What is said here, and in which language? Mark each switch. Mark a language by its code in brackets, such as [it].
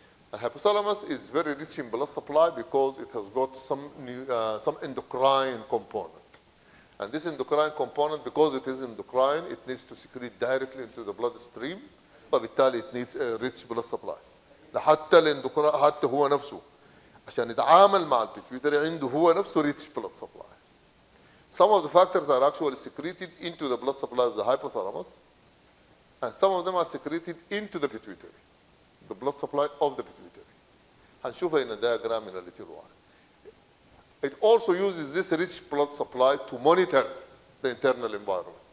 [en] The hypothalamus is very rich in blood supply because it has got some endocrine component. And this endocrine component, because it is endocrine, it needs to secrete directly into the bloodstream. [ar] فبالتالي [en] it needs a rich blood supply. [ar] لحتى الاندوكراين حتى هو نفسه عشان يتعامل مع البيتويتري عنده هو نفسه [en] rich blood supply. Some of the factors are actually secreted into the blood supply of the hypothalamus. And some of them are secreted into the pituitary. The blood supply of the pituitary. [ar] هنشوفها [en] in a diagram in a little while. It also uses this rich blood supply to monitor the internal environment.